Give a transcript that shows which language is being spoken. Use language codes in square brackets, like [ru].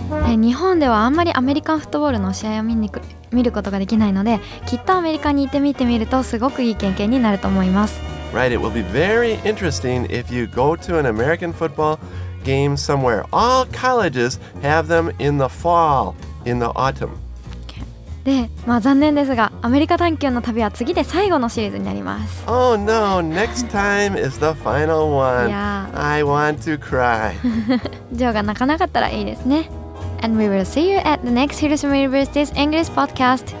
[ja] え、日本ではあんまりアメリカンフットボールの試合を見に見ることができないので、きっとアメリカに行ってみてみるとすごくいい経験になると思います。 [en] Right, it will be very interesting if you go to an American football game somewhere. All colleges have them in the fall, in the autumn. [ja] で、まあ残念ですが、アメリカ探求の旅は次で最後のシリーズになります。 [en] Oh no, next time is the final one. I want to cry. [ja] ジョーが泣かなかったらいいですね。 [en] And we will see you at the next Hiroshima University's English podcast.